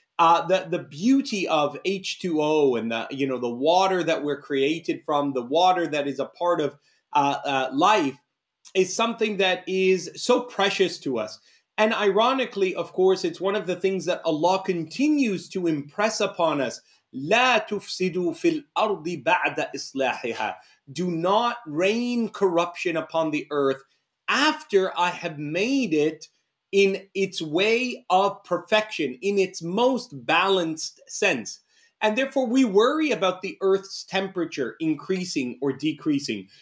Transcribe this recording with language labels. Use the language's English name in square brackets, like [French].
[English] The beauty of H2O and the water that we're created from, the water that is a part of life, is something that is so precious to us. And ironically, of course, it's one of the things that Allah continues to impress upon us. [Arabic] لا تفسدوا في الأرض بعد إصلاحها. [English] Do not rain corruption upon the earth after I have made it in its way of perfection, in its most balanced sense. And therefore, we worry about the earth's temperature increasing or decreasing.